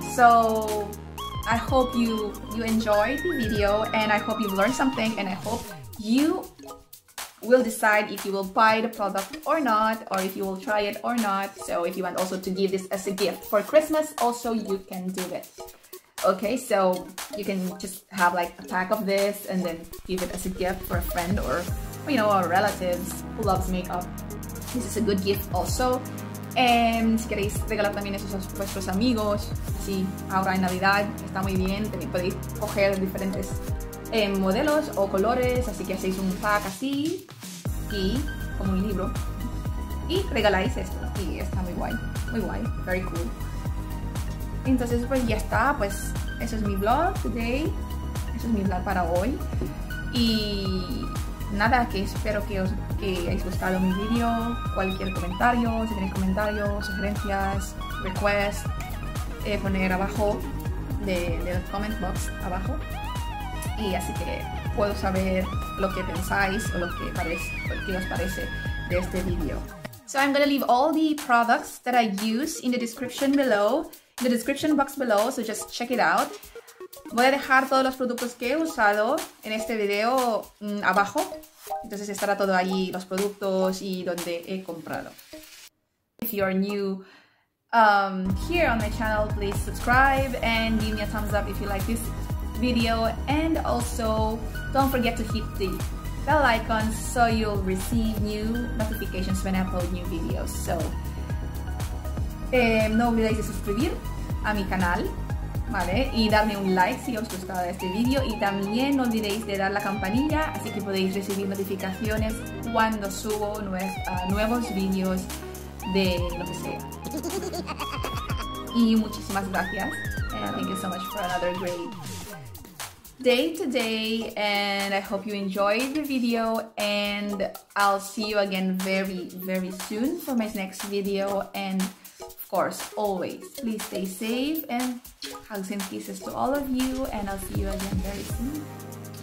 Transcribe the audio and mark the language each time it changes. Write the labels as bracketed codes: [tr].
[en] So I hope you enjoyed the video, and I hope you've learned something, and I hope you will decide if you will buy the product or not, or if you will try it or not. So if you want also to give this as a gift for Christmas, also you can do it. Okay, so you can just have like a pack of this and then give it as a gift for a friend or, you know, a relative who loves makeup. This is a good gift also. [es] And si queréis regalar también esos a vuestros amigos, sí, ahora en Navidad está muy bien, también podéis coger diferentes modelos o colores, así que hacéis un pack así, y como un libro, y regaláis esto, y está muy guay, [en] very cool. [es] Entonces pues ya está, pues eso es mi vlog [en] today, [es] eso es mi vlog para hoy, y nada, que espero que hayáis gustado mi vídeo. Cualquier comentario, si tenéis comentarios, sugerencias, requests, poner abajo de los [en] comment box [es] abajo, y así que puedo saber lo que pensáis o lo que os parece de este vídeo. [en] So I'm gonna leave all the products that I use in the description below, in the description box below, so just check it out. [es] Voy a dejar todos los productos que he usado en este video abajo. Entonces estará todo allí, los productos y donde he comprado. [en] If you are new here on my channel, please subscribe and give me a thumbs up if you like this video. And also, don't forget to hit the bell icon so you'll receive new notifications when I upload new videos. [es] So, no olvidéis de suscribir a mi canal, ¿vale? Y darme un like si os gustaba este vídeo, y también no olvidéis de dar la campanilla, así que podéis recibir notificaciones cuando subo nuevos vídeos de lo que sea. Y muchísimas gracias. [en] Thank you so much for another great day today, and I hope you enjoyed the video, and I'll see you again very, very soon for my next video, and course, always, please stay safe, and hugs and kisses to all of you, and I'll see you again very soon.